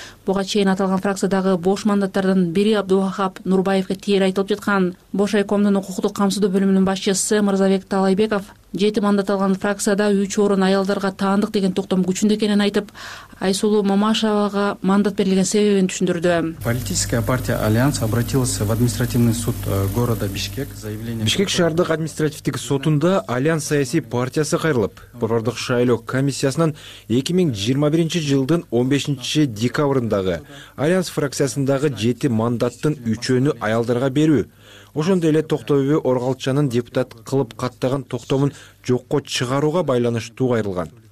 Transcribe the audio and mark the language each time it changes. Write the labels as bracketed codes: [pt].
[ky] Буга чейин аталган фракциядагы бош мандаттардын бири Абдувахап Нурбаевге тиешелүү айтылып жаткан. Бош айкомдун укуктук камсыздоо бөлүмүнүн башчысы Мырзабек Талайбеков 7 мандат алган фракцияда 3 орун аялдарга таандык деген токтом күчүндө экенин айтып, Айсулуу Мамашевага мандат берилген себебин түшүндүрдү. [ru] Политическая партия Альянс обратилась в административный суд города Бишкек заявление. [ky] Бишкек шаардык административдик сотунда Альянс саясий партиясы кайрылып, Борбордук шайлоо комиссиясынан 2021 жылдын 15 декабрындагы Альянс фракциясындагы 7 мандаттын 3-үнү аялдарга берүү. Ошондой эле Токтобүбү Оргалчанын депутат кылып каттаган токтомун жокко чыгарууга байланыштуу кайрылган.